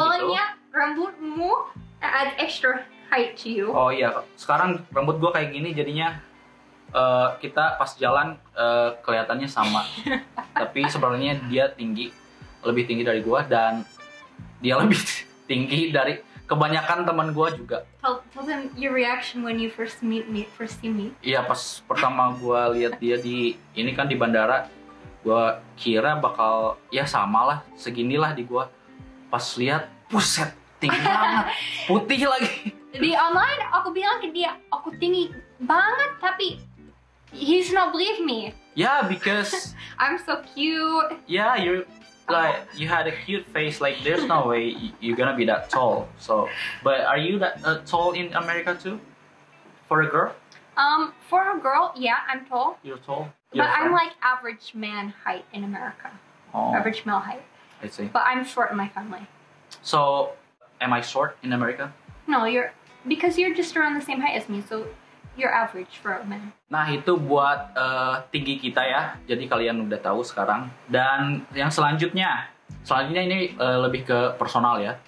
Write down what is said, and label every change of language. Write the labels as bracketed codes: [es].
[id] Soalnya rambutmu add extra height to you. Oh iya, sekarang rambut gue kayak gini jadinya kita pas jalan kelihatannya sama. Tapi sebenarnya dia tinggi, lebih tinggi dari gue, dan dia lebih tinggi dari kebanyakan teman gue juga. [en] Tell them your reaction when you first see me. [id] Iya, pas pertama gue lihat dia di ini kan di bandara. Gua kira bakal ya samalah, seginilah di gua. Pas lihat, buset, tinggi banget. Putih lagi. Di online aku bilang ke dia, aku tinggi banget, tapi he's not believe me. [en] Yeah, because I'm so cute. Yeah, you're like you had a cute face. Like there's no way you're gonna be that tall. So, but are you that tall in America too? For a girl? For a girl, yeah, I'm tall. You're tall. But I'm like average man height in America. Oh. Average male height. I see. But I'm short in my family. So, am I short in America? No, you're because you're just around the same height as me. So. You're average for men. [id] Nah, itu buat tinggi kita ya. Jadi kalian udah tahu sekarang. Dan yang selanjutnya. Selanjutnya ini lebih ke personal ya.